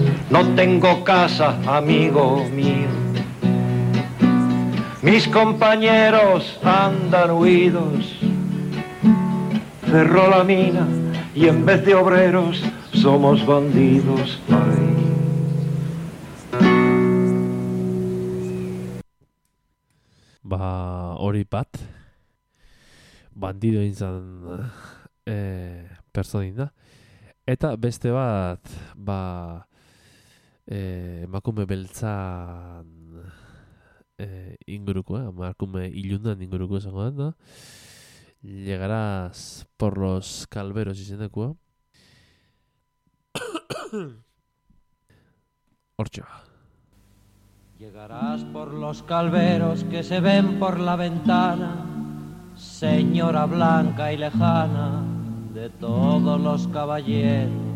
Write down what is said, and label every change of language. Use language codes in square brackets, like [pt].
[es] No tengo casa, amigo mío, mis compañeros andan huidos. Cerró la mina y en vez de obreros somos bandidos, ay. [eu] Ba, hori bat, bandido izan pertsonin da. Eta beste bat, ba, emakume beltzan inguruko, emakume ilundan inguruko esango da. [es] Llegarás por los calveros [eu] izenekua. Hortxe ba. [es] Llegarás por los calveros que se ven por la ventana, señora blanca y lejana de todos los caballeros.